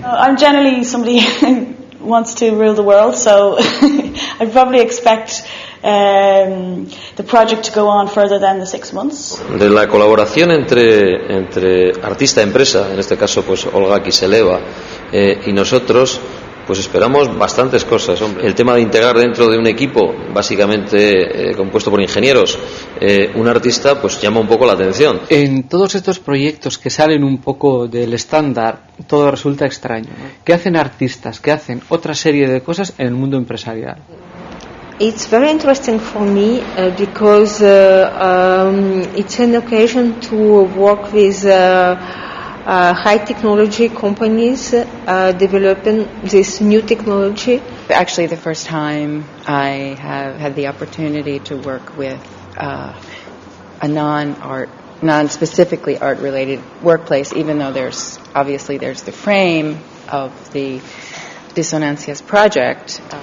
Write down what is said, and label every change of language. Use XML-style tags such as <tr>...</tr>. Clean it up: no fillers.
<en>I'm generally somebody wants to rule the world, so I probably expect the project to go on further than the 6 months.</en> <es>De la colaboración entre artista y empresa, en este caso pues Olga Kiseleva y nosotros, pues esperamos bastantes cosas, hombre. El tema de integrar dentro de un equipo básicamente compuesto por ingenieros un artista, pues llama un poco la atención. En todos estos proyectos que salen un poco del estándar, todo resulta extraño, ¿no? ¿Qué hacen artistas? ¿Qué hacen otra serie de cosas en el mundo empresarial?</es> <en>It's very interesting for me because it's an occasion to work with high technology companies developing this new technology. Actually, the first time I have had the opportunity to work with a non-specifically art-related workplace, even though there's the frame of the Disonancias project.</en>